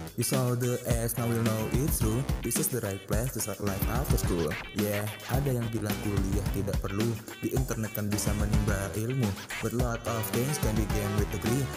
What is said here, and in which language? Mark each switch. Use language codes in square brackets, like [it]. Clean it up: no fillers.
[en] You saw the ass, now you know it's true. This is the right place to start life after school. [id] Yeah, ada yang bilang kuliah tidak perlu. Di internet kan bisa menimba ilmu. [en] But lot of things can be gained with degree.